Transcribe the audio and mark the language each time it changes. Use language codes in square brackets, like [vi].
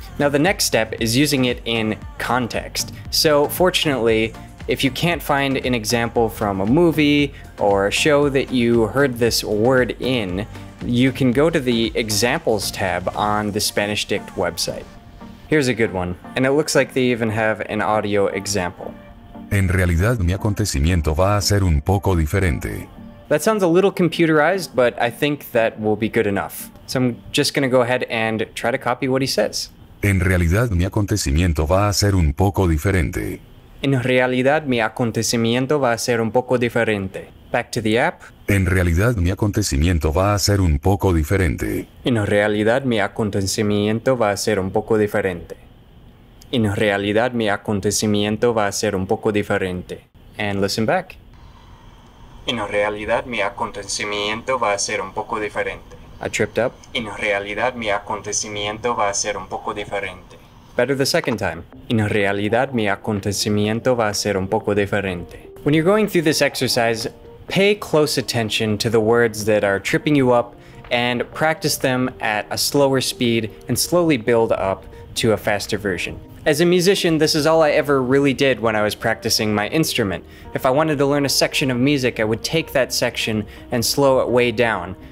[en] Now, the next step is using it in context. So fortunately, if you can't find an example from a movie or a show that you heard this word in, you can go to the examples tab on the Spanish Dict website. Here's a good one, and it looks like they even have an audio example. [es] En realidad, mi acontecimiento va a ser un poco diferente. [en] That sounds a little computerized, but I think that will be good enough. So I'm just gonna go ahead and try to copy what he says. [es] En realidad, mi acontecimiento va a ser un poco diferente. En realidad, mi acontecimiento va a ser un poco diferente. [en] Back to the app. [es] En realidad, mi acontecimiento va a ser un poco diferente. En realidad, mi acontecimiento va a ser un poco diferente. En realidad, mi acontecimiento va a ser un poco diferente. [en] And listen back. [es] En realidad, mi acontecimiento va a ser un poco diferente. [en] I tripped up. [es] En realidad, mi acontecimiento va a ser un poco diferente. [en] Better the second time. [es] En realidad, mi acontecimiento va a ser un poco diferente. [en] When you're going through this exercise, pay close attention to the words that are tripping you up and practice them at a slower speed and slowly build up to a faster version. As a musician, this is all I ever really did when I was practicing my instrument. If I wanted to learn a section of music, I would take that section and slow it way down.